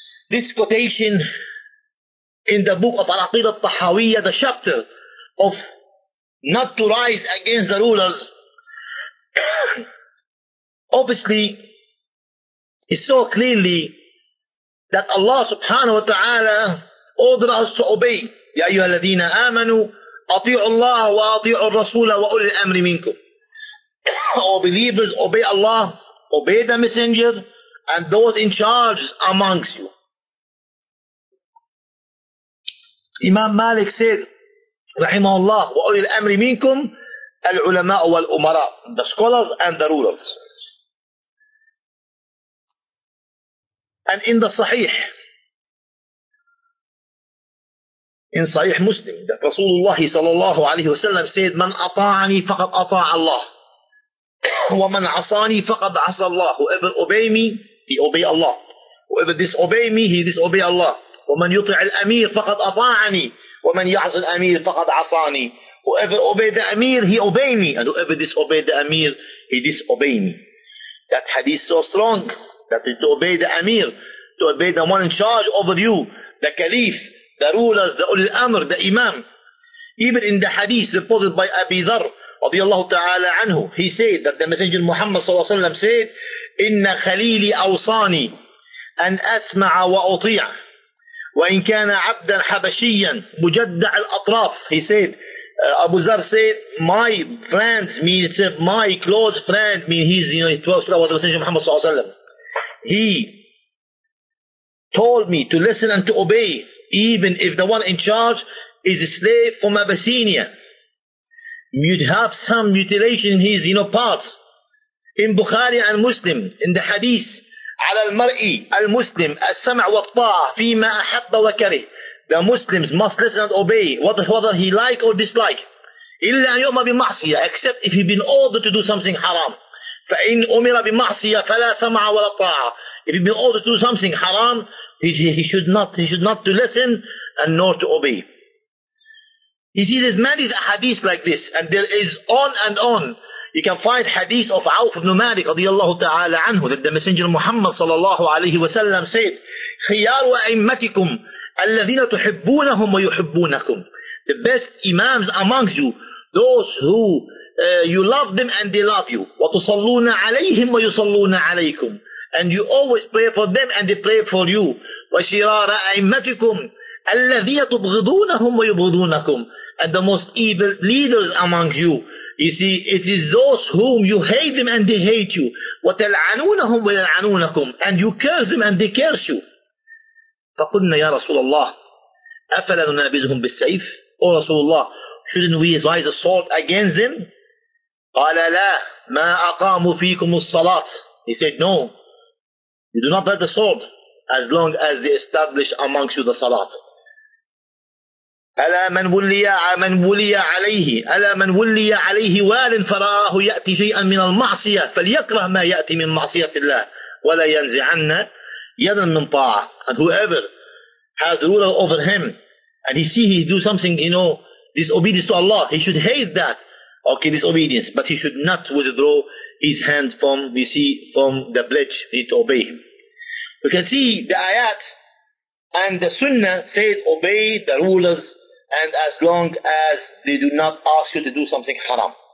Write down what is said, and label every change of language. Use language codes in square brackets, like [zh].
[en] This quotation in the book of Al-Aqidah al-Tahawiyyah, the chapter of not to rise against the rulers, obviously it's so clearly that Allah subhanahu wa ta'ala ordered us to obey. [ar] يا أيها الذين آمنوا أطيعوا الله وأطيعوا الرسول وأولي الأمر منكم. [en] All believers, obey Allah, obey the messenger and those in charge amongst you. Imam Malik said, Rahimahullah, [ar] wa ulil amri minkum al-ulama wal-umara, [en] the scholars and the rulers. And in the Sahih, in Sahih Muslim, that Rasulullah sallallahu alayhi wa sallam said, [ar] man ata'ani faqad ata'a Allah, wa man asani faqad asa Allah, [en] whoever obey me, he obey Allah, whoever disobey me, he disobey Allah. [ar] وَمَنْ يُطِعِ الْأَمِيرِ فَقَدْ أَطَاعَنِي وَمَنْ يَعْصِ الْأَمِيرِ فَقَدْ عَصَانِي. [en] Whoever obey the Amir, he obey me. And whoever disobey the Amir, he disobey me. That hadith so strong that to obey the Amir, to obey the one in charge over you, the Caliph, the rulers, the Ulil Amr, the Imam. Even in the hadith reported by Abi Dharr, [ar] رضي الله تعالى عنه, [en] he said that the Messenger Muhammad [ar] صلى الله عليه وسلم [en] said, [ar] إِنَّ خَلِيلِ أَوْصَانِي أَنْ أَسْمَعَ وَأُطِيعَ وَإِنْ كَانَ عَبْدًا حَبَشِيًّا مُجَدَّعَ الْأَطْرَافِ. [en] He said, Abu Zar said, my friends mean, it's my close friend mean, he's, you know, he was the Messenger Muhammad sallallahu alaihi wasallam. He told me to listen and to obey, even if the one in charge is a slave from Abyssinia. You'd have some mutilation in his, you know, parts. In Bukhari and Muslim, in the hadith, [ar] على المرء المسلم السمع والطاعة فيما أحب وكره. [en] The Muslims must listen and obey whether he like or dislike. [ar] إلا أن يؤمر بمعصية, [en] except if he been ordered to do something haram. [ar] فإن أمر بمعصية فلا سمع ولا طاعة. [en] If he been ordered to do something haram, he should not to listen and nor to obey. You see, there's many hadith like this, and there is on and on. You can find hadith of Awf ibn Malik radiyallahu ta'ala anhu, that the Messenger Muhammad sallallahu alayhi wa sallam said, [ar] خيار وأئمتكم الذين تحبونهم ويحبونكم. [en] The best imams amongst you, those who you love them and they love you. [ar] وتصلون عليهم ويصلون عليكم. [en] And you always pray for them and they pray for you. [ar] وشرار أئمتكم الذين تبغضونهم ويبغضونكم. [en] And the most evil leaders amongst you, you see, it is those whom you hate them and they hate you. [ar] وَتَلْعَنُونَهُمْ وَيَلْعَنُونَكُمْ. [en] And you curse them and they curse you. [ar] فَقُلْنَا يَا رَسُولَ اللَّهِ أَفَلَا نُنَابِزُهُمْ بِالسَّيْفِ. [en] O Rasulullah, shouldn't we raise a sword against them? [ar] قَالَ لَا مَا أَقَامُ فِيكُمُ الصَّلَاةِ. [en] He said, no, you do not bear the sword as long as they establish amongst you the salat. [ar] ألا من ولي من ولي عليه ألا من ولي عليه وال فرآه يأتي شيئا من المعصية فليكره ما يأتي من معصية الله ولا ينزعن يدا من طاعة. [en] And whoever has ruler over him and he see he do something, you know, disobedience to Allah, he should hate that, okay, disobedience, but he should not withdraw his hand from, we see, from the pledge, he need to obey him. You can see the ayat and the sunnah said obey the rulers, and as long as they do not ask you to do something haram.